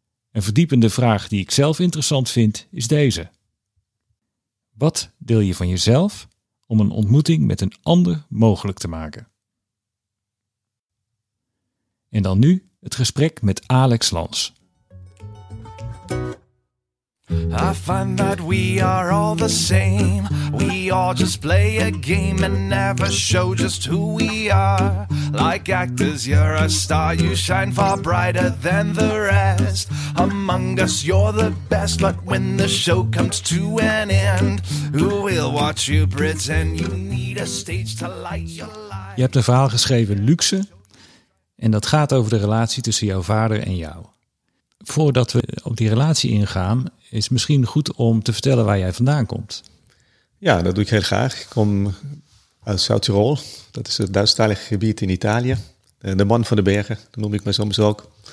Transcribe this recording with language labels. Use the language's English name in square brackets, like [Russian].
[Dutch] Een verdiepende vraag die ik zelf interessant vind is deze. Wat deel je van jezelf om een ontmoeting met een ander mogelijk te maken? En dan nu het gesprek met Alex Lands. [English] I find that we are all the same. We all just play a game and never show just who we are. Like actors, you're a star. You shine far brighter than the rest. Among us, you're the best. But when the show comes to an end, who will watch you pretend? You need a stage to light your life. [Dutch] Je hebt een verhaal geschreven, Luxe. En dat gaat over de relatie tussen jouw vader en jou. Voordat we op die relatie ingaan, is misschien goed om te vertellen waar jij vandaan komt. Ja, dat doe ik heel graag. Ik kom uit Zuid-Tirol. Dat is het Duitsstalige gebied in Italië. De man van de bergen, dat noem ik me soms ook.